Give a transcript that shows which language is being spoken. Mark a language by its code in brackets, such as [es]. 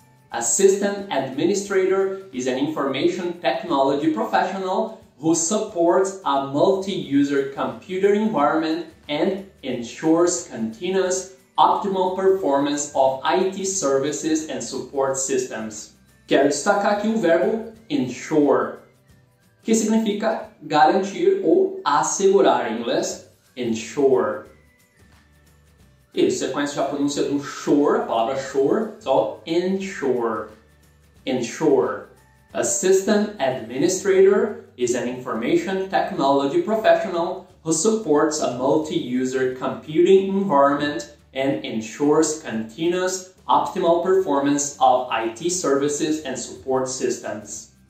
[en] A System Administrator is an Information Technology Professional who supports a multi-user computer environment and ensures continuous optimal performance of IT services and support systems. [pt] Quero destacar aqui o verbo ensure, que significa garantir ou assegurar em inglês, ensure. E você conhece já a pronúncia do shore, a palavra shore, so ensure, ensure. [en] A system administrator is an information technology professional who supports a multi-user computing environment and ensures continuous optimal performance of IT services and support systems.